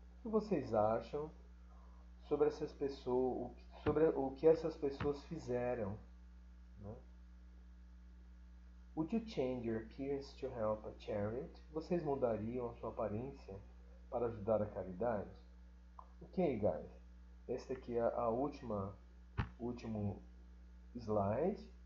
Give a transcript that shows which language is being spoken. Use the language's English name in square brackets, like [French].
[Portuguese] O que vocês acham sobre essas pessoas, o que essas pessoas fizeram, né? [English] Would you change your appearance to help a charity? [Portuguese] Vocês mudariam a sua aparência para ajudar a caridade? [English] Ok, guys. [Portuguese] Esta aqui é a último slide.